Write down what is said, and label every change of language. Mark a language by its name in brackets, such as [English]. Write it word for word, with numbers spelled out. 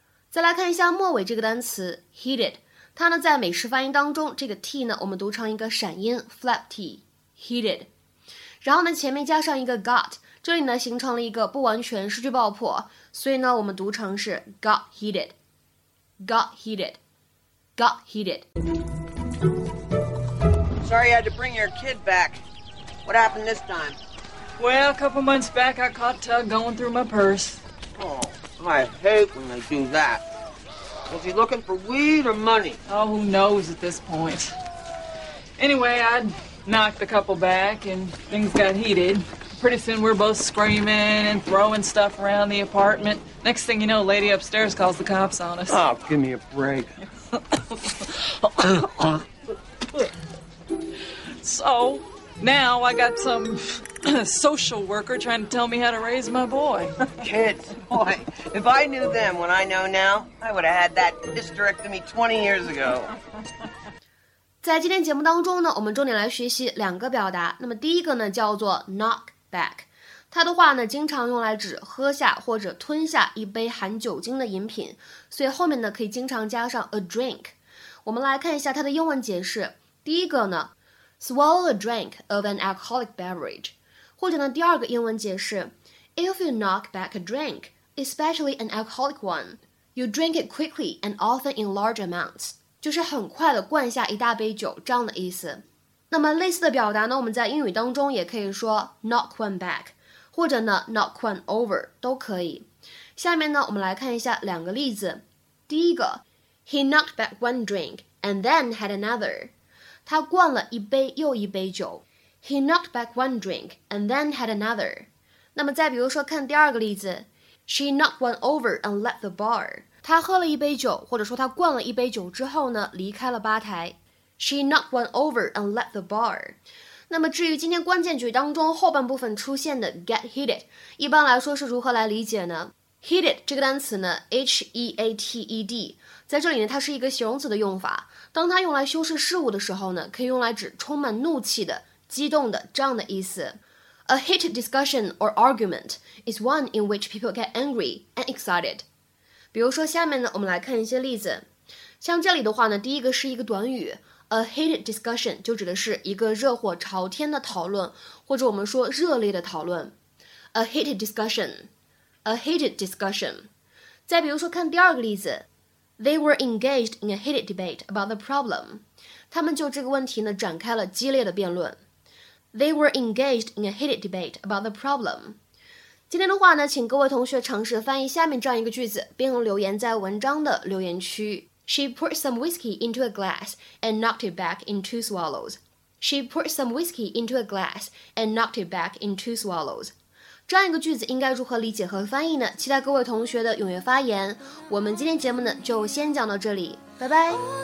[Chinese] 再来看一下末尾这个单词 heated， 它呢在美式发音当中，这个 t 呢我们读成一个闪音 flap t heated， 然后呢前面加上一个 got， 这里呢形成了一个不完全失去爆破，所以呢我们读成是 [English] got heated got heated got heated。 Sorry I had to bring your kid back. What happened this time? Well, a couple months back I caught Tug going through my purse. Oh. I hate when they do that. Was he looking for weed or money? Oh, who knows at this point. Anyway, I knocked the couple back and things got heated. Pretty soon we're both screaming and throwing stuff around the apartment. Next thing you know, lady upstairs calls the cops on us. Oh, give me a break. So, now I got some... social worker trying to tell me how to raise my boy. Kids, boy, if I knew them when I know now, I would have had that hysterectomy twenty years ago. [Chinese] 在今天节目当中呢，我们重点来学习两个表达。那么第一个呢叫做 knock back， 它的话呢经常用来指喝下或者吞下一杯含酒精的饮品，所以后面呢可以经常加上 a drink。我们来看一下它的英文解释。第一个呢 [English] swallow a drink of an alcoholic beverage， [Chinese] 或者呢，第二个英文解释 [English] ，If you knock back a drink, especially an alcoholic one, you drink it quickly and often in large amounts， [Chinese] 就是很快的灌下一大杯酒这样的意思。那么类似的表达呢，我们在英语当中也可以说 knock one back， 或者呢 knock one over 都可以。下面呢，我们来看一下两个例子。第一个 [English] ，He knocked back one drink and then had another， [Chinese] 他灌了一杯又一杯酒。 [English] He knocked back one drink and then had another. [Chinese] 那么再比如说看第二个例子 [English] ，She knocked one over and left the bar. [Chinese] 她喝了一杯酒，或者说她灌了一杯酒之后呢，离开了吧台。 [English] She knocked one over and left the bar. [Chinese] 那么至于今天关键句当中后半部分出现的 get heated， 一般来说是如何来理解呢？ Heated 这个单词呢 H E A T E D 在这里呢它是一个形容词的用法，当它用来修饰事物的时候呢，可以用来指充满怒气的、激动的这样的意思。 [English] A heated discussion or argument is one in which people get angry and excited。 [Chinese] 比如说下面呢我们来看一些例子。像这里的话呢，第一个是一个短语 A heated discussion 就指的是一个热火朝天的讨论，或者我们说热烈的讨论。 [English] A heated discussion A heated discussion。再比如说看第二个例子 They were engaged in a heated debate about the problem。 [Chinese] 他们就这个问题呢展开了激烈的辩论。 [English] They were engaged in a heated debate about the problem。 [Chinese] 今天的话呢，请各位同学尝试翻译下面这样一个句子，并留言在文章的留言区。 [English] She poured some whiskey into a glass and knocked it back in two swallows. She poured some whiskey into a glass and knocked it back in two swallows. [Chinese] 这样一个句子应该如何理解和翻译呢？期待各位同学的踊跃发言。我们今天节目呢就先讲到这里，拜拜。